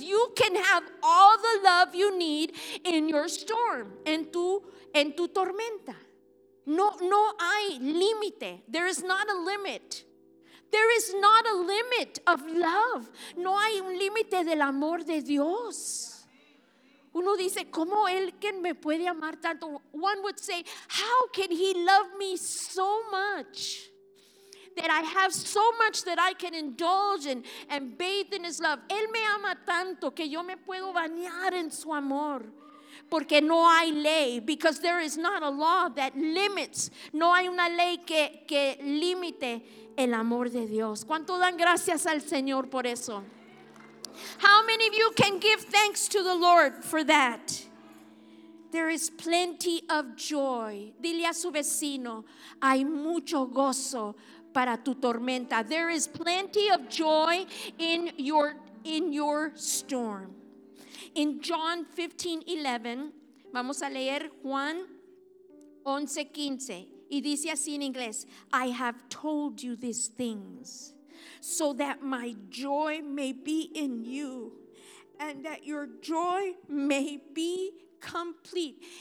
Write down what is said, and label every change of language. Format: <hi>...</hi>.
<en>You can have all the love you need in your storm,</en> <es>en tu tormenta. No hay límite.</es> <en>There is not a limit. There is not a limit of love.</en> <es>No hay un límite del amor de Dios. Uno dice, ¿cómo él que me puede amar tanto?</es> <en>One would say, how can he love me so much? That I have so much that I can indulge in and bathe in his love.</en> <es>Él me ama tanto que yo me puedo bañar en su amor. Porque no hay ley.</es> <en>Because there is not a law that limits.</en> <es>No hay una ley que limite el amor de Dios. ¿Cuánto dan gracias al Señor por eso?</es> <en>How many of you can give thanks to the Lord for that? There is plenty of joy.</en> <es>Dile a su vecino, hay mucho gozo para tu tormenta.</es> <en>There is plenty of joy in your storm. In John 15:11,</en> <es>vamos a leer Juan 11:15, y dice así en inglés,</es> <en>I have told you these things so that my joy may be in you and that your joy may be complete.</en>